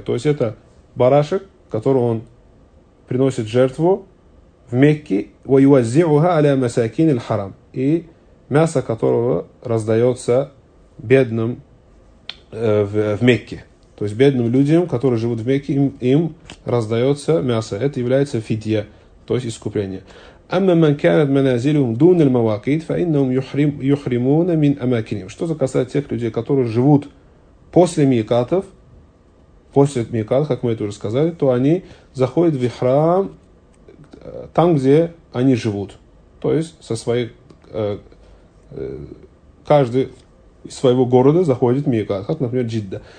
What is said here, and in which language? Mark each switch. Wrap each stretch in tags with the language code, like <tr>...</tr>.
<ru>То есть это барашек, который он приносит жертву в Мекке,</ru> <ar>ويوزعها على مساكين الحرم,</ar> <ru>и мясо которого раздается бедным в Мекке, то есть бедным людям, которые живут в Мекке, им раздается мясо, это является фидья, то есть искупление.</ru> <ar>أما من كانت منازلهم دون المواقيت فإنهم يحرمون من أماكنهم.</ar> <ru>Что касается тех людей, которые живут после Микатов, после Микат, как мы это уже сказали, то они заходят в храм там, где они живут. То есть, со своей, каждый из своего города заходит в Миекат. Как, например, Джидда.</ru>